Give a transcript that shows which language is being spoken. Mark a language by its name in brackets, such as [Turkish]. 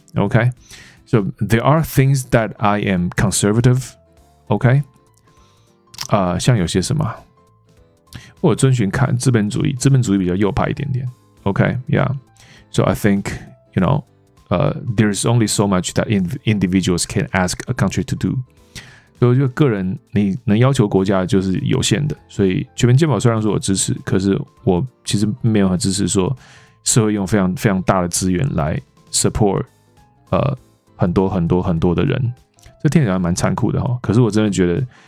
[English] OK， so there are things that I am conservative。 [Chinese] OK， 像有些什么我遵循看资本主义比较右派一点点。 [English] OK， yeah， so I think you knowThere is only so much that individuals can ask a country to do. [Chinese] 所以我觉得个人你能要求国家就是有限的。所以全民健保虽然说我支持，可是我其实没有很支持说社会用非常非常大的资源来 support 很多很多很多的人。这听起来蛮残酷的哈。可是我真的觉得